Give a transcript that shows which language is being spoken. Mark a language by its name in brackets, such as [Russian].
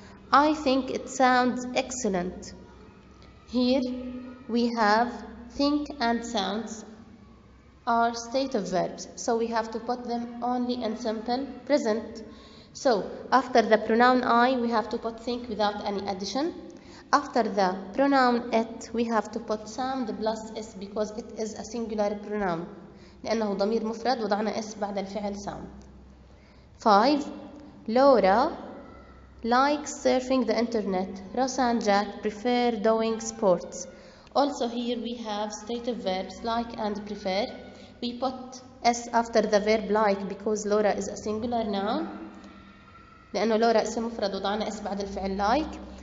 [English] I think it sounds excellent. Here we have think and sounds are state of verbs, so we have to put them only in simple present. So after the pronoun I, we have to put think without any addition. After the pronoun it, we have to put sound plus s because it is a singular pronoun. [Arabic] لأنه ضمير مفرد وضعنا s بعد الفعل sound. [English] 5. Laura likes surfing the internet. Ross and Jack prefer doing sports. Also here we have state of verbs like and prefer. We put s after the verb like because Laura is a singular noun. [Arabic] لأنه لورا اسم مفرد وضعنا اس بعد الفعل like.